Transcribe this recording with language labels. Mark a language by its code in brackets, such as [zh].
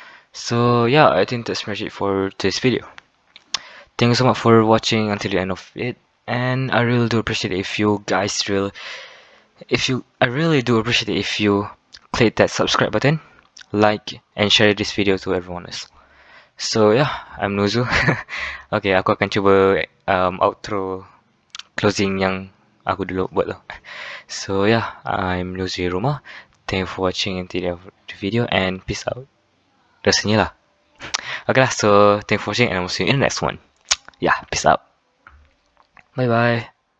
[en] So, yeah, I think that's much it for this video. Thank you so much for watching until the end of it. And I really do appreciate it if you guys really... I really do appreciate it if you click that subscribe button, like, and share this video to everyone else. So yeah, I'm Nuzu. [ms] Okay, aku akan cuba outro closing yang aku dulu buat tu. [en] So yeah, I'm Nuzu [ms] di rumah. [en] Thank you for watching until the video and peace out. [ms] Rasanya lah. [en] Okay lah, so thank you for watching and I'll see you in the next one. Yeah, peace out. Bye bye.